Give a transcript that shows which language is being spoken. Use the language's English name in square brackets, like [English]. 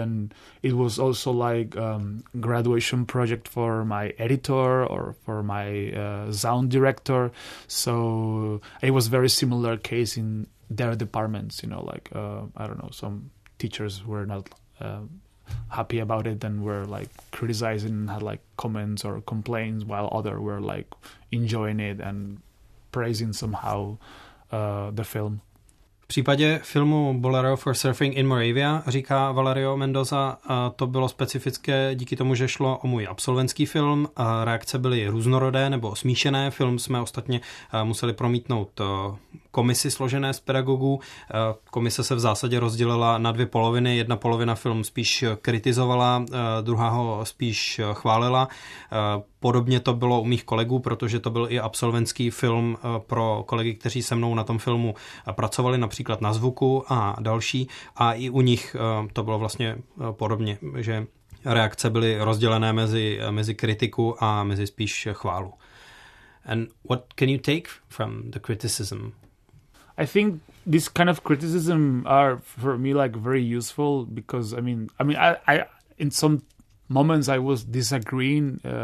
[English] And it was also like graduation project for my editor or for my sound director, so it was very similar case in their departments, you know, like I don't know, some teachers were not happy about it and were like criticizing and had like comments or complaints, while other were like enjoying it and praising somehow the film. [Czech] V případě filmu Bolero for Surfing in Moravia, říká Valerio Mendoza, to bylo specifické díky tomu, že šlo o můj absolventský film. Reakce byly různorodé nebo smíšené. Film jsme ostatně museli promítnout komisi složené z pedagogů. Komise se v zásadě rozdělila na dvě poloviny. Jedna polovina film spíš kritizovala, druhá ho spíš chválila. Podobně to bylo u mých kolegů, protože to byl i absolventský film pro kolegy, kteří se mnou na tom filmu pracovali, například na zvuku a další. A i u nich to bylo vlastně podobně, že reakce byly rozdělené mezi kritiku a mezi spíš chválu. [English] And what can you take from the criticism? I think this kind of criticism are for me like very useful, because I mean, in some moments I was disagreeing